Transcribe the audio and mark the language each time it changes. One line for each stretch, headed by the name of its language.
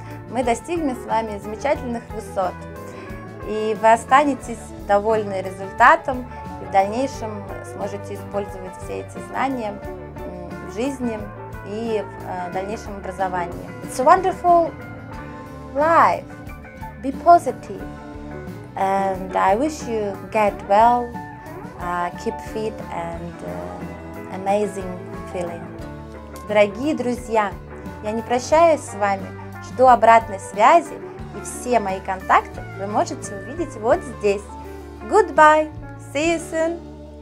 Russian: Мы достигнем с вами замечательных высот. И вы останетесь довольны результатом. И в дальнейшем сможете использовать все эти знания в жизни и в дальнейшем образовании.
English: It's a wonderful life. Be positive, and I wish you get well, keep fit and amazing feeling.
Russian: Дорогие друзья, я не прощаюсь с вами, жду обратной связи, и все мои контакты вы можете увидеть вот здесь.
English: Goodbye, see you soon!